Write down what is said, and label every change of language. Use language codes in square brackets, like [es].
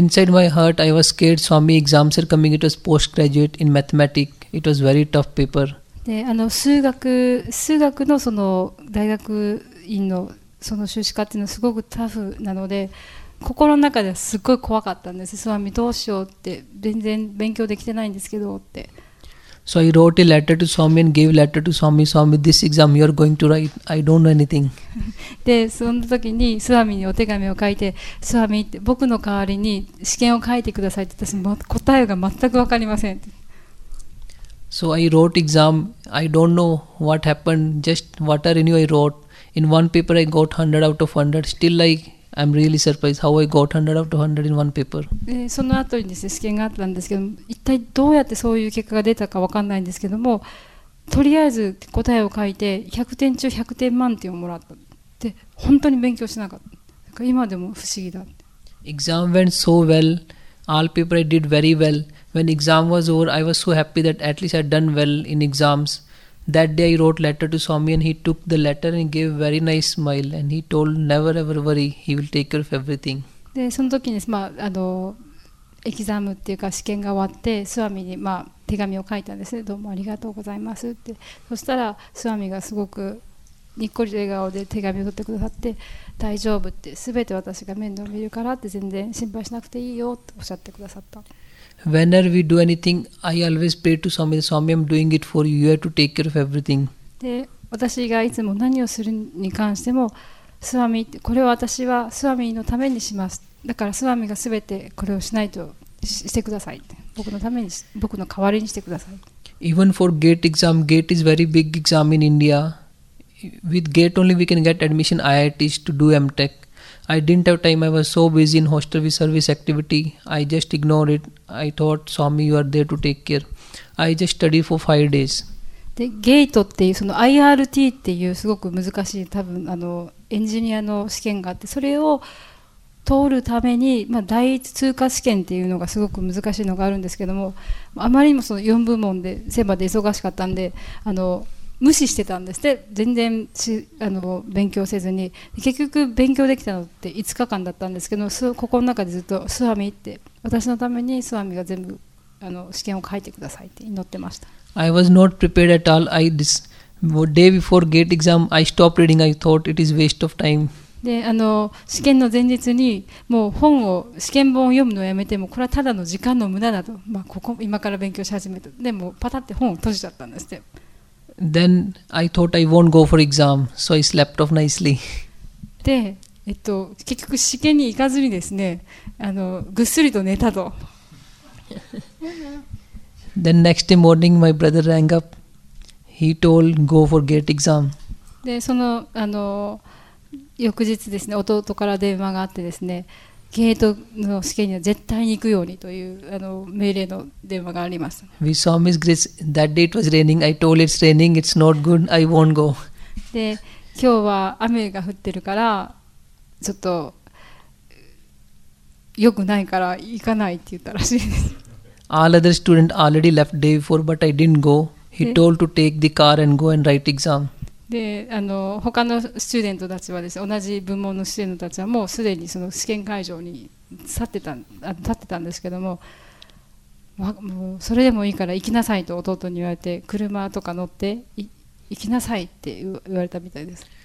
[en] Inside my heart, I was scared. Swami exams are coming. It was postgraduate in mathematics. It was very tough paper. [ja] で、あの、数学のその大学院のその修士課っていうのはすごくタフなので、心の中ではすっごい怖かったんです。スワミどうしようって、全然勉強できてないんですけどって。 [en] So I wrote a letter to Swami and gave a letter to Swami. Swami, this exam you are going to write, I don't know anything. [ja] で、その時にスワミにお手紙を書いて、スワミって僕の代わりに試験を書いてくださいって、私答えが全く分かりません。 [en] So I wrote exam. I don't know what happened. Just what are new I wrote. In one paper I got 100 out of 100. Still like,I'm really surprised how I got 100 out of 100 in one paper. [ja] その後にですね、試験があったんですけど、一体どうやってそういう結果が出たか分かんないんですけども、とりあえず答えを書いて100点中100点満点をもらった。で、本当に勉強しなかった。だから今でも不思議だ。 [en] Exam went so well. All paper I did very well. When exam was over, I was so happy that at least I'd done well in exams. That day I wrote letter to Swami and he took the letter and gave a very nice smile and he told never ever worry, he will take care of everything. [ja] で、その時に、まあ、あの、エキザムっていうか試験が終わって、スワミに、まあ、手紙を書いたんですね。どうもありがとうございますって。そしたら、スワミがすごくにっこりと笑顔で手紙を取ってくださって、大丈夫って、すべて私が面倒見るからって全然心配しなくていいよっておっしゃってくださった。 [en] Whenever we do anything, I always pray to Swami. Swami, I'm doing it for you. You have to take care of everything. [ja] で、私がいつも何をするに関しても、スワミ、これを私はスワミのためにします。だからスワミがすべてこれをしないと してください。僕のために、僕の代わりにしてください。 [en] Even for gate exam, gate is very big exam in India. With gate only we can get admission IITs to do M.Tech. I didn't have time. I was so busy in hostel with service activity. I just ignored it. I thought, Swami, you are there to take care. I just studied for 5 days. [ja] で、ゲートっていうその IRT っていうすごく難しい多分あのエンジニアの試験があって、それを通るために、まあ、第一通過試験っていうのがすごく難しいのがあるんですけども、あまりにもその4部門で選抜で忙しかったんで、あの。無視してたんですって全然あの勉強せずに結局勉強できたのって5日間だったんですけど心の中でずっとスワミって私のためにスワミが全部あの試験を書いてくださいって祈ってました [en] I was not prepared at all. Day before gate exam, I stopped reading. I thought it is waste of time. [ja] で、あの試験の前日にもう本を試験本を読むのをやめてもこれはただの時間の無駄だと、まあ、ここ今から勉強し始めた。でもパタって本を閉じちゃったんですって。 [en] Then I thought I won't go for exam, so I slept off nicely. [ja] で、結局試験に行かずにですね、あのぐっすりと寝たと。 [en] Then next morning, my brother rang up. He told, go for gate exam. [ja] で、その、あの、翌日ですね、弟から電話があってですね、ゲートの試験には絶対に行くようにというあの命令の電話があります。 [en] We saw Miss Grace. That day it was raining. I told it's raining. It's not good. I won't go. [ja] で、今日は雨が降ってるからちょっと良くないから行かないって言ったらしいです。 [en] All other students already left day before, but I didn't go. He told to take the car and go and write exam. [ja] で、あの他のスチューデントたちはですね、同じ部門のスチューデントたちはもうすでにその試験会場に立ってたんですけども、ま、もうそれでもいいから行きなさいと弟に言われて、車とか乗って行きなさいって言われたみたいです。